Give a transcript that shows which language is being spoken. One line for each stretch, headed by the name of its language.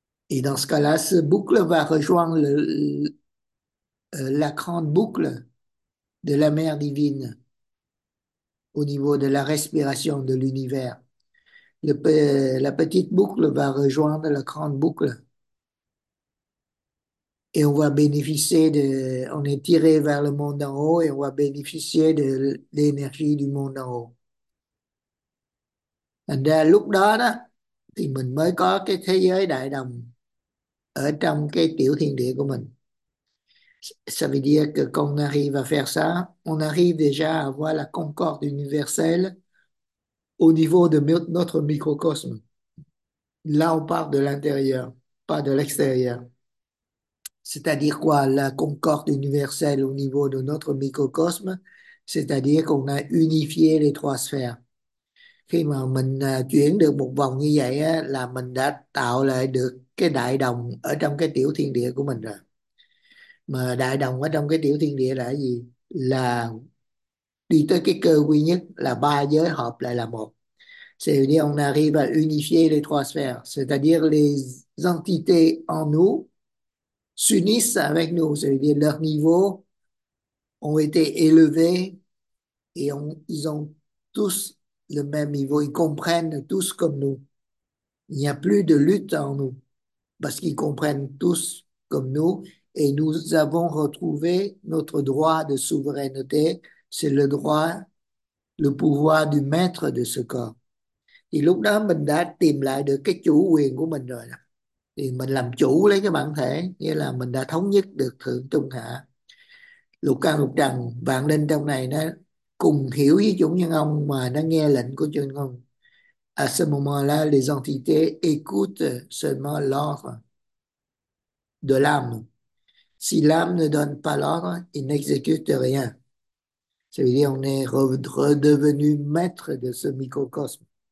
French: Et dans ce cas-là, cette boucle va rejoindre la grande boucle de la mère divine au niveau de la respiration de l'univers. La petite boucle va rejoindre la grande boucle. Et on va bénéficier on est tiré vers le monde en haut et on va bénéficier de l'énergie du monde en haut.
Vietnamese: Lúc đó, thì mình mới có cái thế giới đại đồng ở trong cái tiểu thiên địa của mình.
French: Ça veut dire que quand on arrive à faire ça, on arrive déjà à avoir la concorde universelle au niveau de notre microcosme. Là, on parle de l'intérieur, pas de l'extérieur. C'est-à-dire quoi, la concorde universelle au niveau de notre microcosme? C'est-à-dire qu'on a unifié les trois sphères.
Vietnamese: Khi mà mình chuyển được một vòng như vậy á, là mình đã tạo lại được cái đại đồng ở trong cái tiểu thiên địa của mình rồi. Mà đại đồng ở trong cái tiểu thiên địa là gì? Là đi tới cái cơ quy nhất là ba giới hợp lại là một.
French: C'est-à-dire on arrive à unifier les trois sphères, c'est-à-dire les entités en nous s'unissent avec nous, c'est-à-dire leurs niveaux ont été élevés et ils ont tous le même niveau, ils comprennent tous comme nous. Il n'y a plus de lutte en nous parce qu'ils comprennent tous comme nous. Et nous avons retrouvé notre droit de souveraineté, c'est le droit, le pouvoir du maître de ce corps.
Vietnamese: Et lúc đó mình đã tìm lại được cái chủ quyền của mình rồi. Thì mình làm chủ lấy cái bản thể, nghĩa là mình đã thống nhất được thượng trung hạ. Lục căn lục trần, vạn linh trong này nó cùng hiểu với chủ nhân ông mà nó nghe lệnh của chủ nhân ông.
French: À ce moment-là, les entités écoutent seulement l'ordre de l'âme. Si l'âme ne donne pas l'ordre, il n'exécute rien. Ça veut dire qu'on est redevenu maître de ce microcosme.